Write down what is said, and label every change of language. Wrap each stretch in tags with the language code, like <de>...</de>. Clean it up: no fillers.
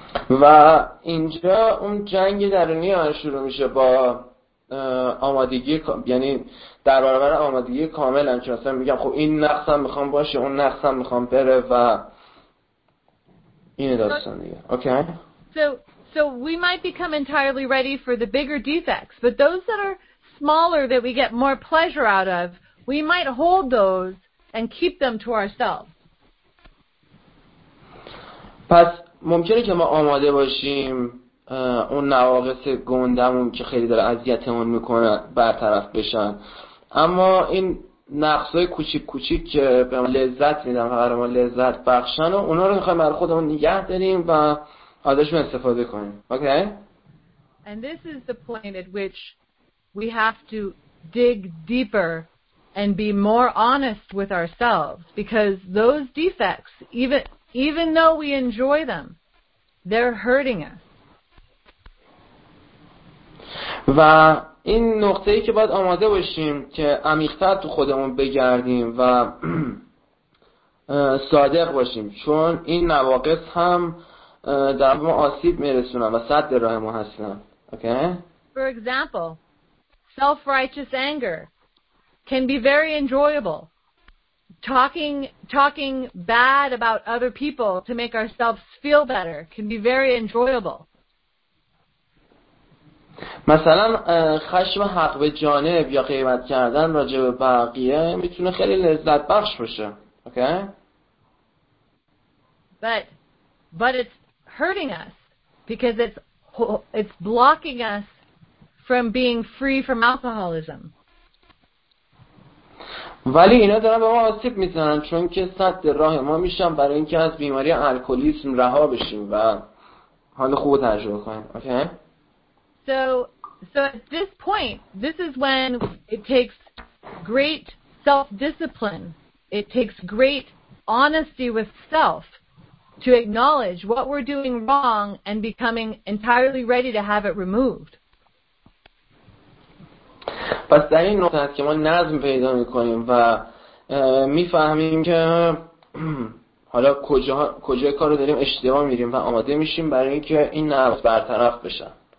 <fa>و اینجا اون جنگ درونی ها شروع میشه با آمادگی، یعنی در برابر آمادگی کامل هم که مثلا میگم خب این نقصم میخوام باشه، اون نقصم میخوام بره و اینه داستان دیگه.</fa> <en>Okay. So we might become entirely ready for the bigger defects, but those that are smaller that we get more pleasure out of, we might hold those and keep them to ourselves.</en> <fa>پس ممکنه که ما آماده باشیم اون نواقص گندمون که خیلی داره اذیتمون میکنه برطرف بشن، اما این نقصهای کوچیک کوچیک که به ما لذت میدن و برای ما لذت بخشن و اونا رو میخواییم برای خودمون نگه داریم و ازشون استفاده کنیم.</fa> <en>Okay? And this is the point at which we have to dig deeper and be more honest with ourselves, because those defects, even though we enjoy them, they're hurting us.</en> <fa>و این نقطه‌ای که باید آماده باشیم که عمیق‌تر تو خودمون بگردیم و صادق باشیم، چون این نواقص هم در ما آسیب می‌رسونن و سد راه ما هستن.</fa> <en>Okay? For example, self-righteous anger can be very enjoyable. Talking bad about other people to make ourselves feel better can be very enjoyable.</en> <fa>مثلا خشم حق به جانب یا غیبت کردن راجع به بقیه میتونه خیلی لذت بخش باشه.</fa> <en>Okay? But it's hurting us because it's blocking us from being free from alcoholism.</en> <fa>ولی اینا دارن به ما آسیب میزنن چون که سد راه ما میشن برای اینکه از بیماری الکلیسم رها بشیم و حال خوب تجربه کنیم.</fa> <en>Okay? So at this point, this is when it takes great self-discipline. It takes great honesty with self to acknowledge what we're doing wrong and becoming entirely ready to have it removed.</en> <fa>پس در این نقطه هست که ما نظم پیدا میکنیم و میفهمیم که حالا کجای کار رو داریم اشتباه میریم و آماده میشیم برای اینکه این نقص برطرف بشن.</fa>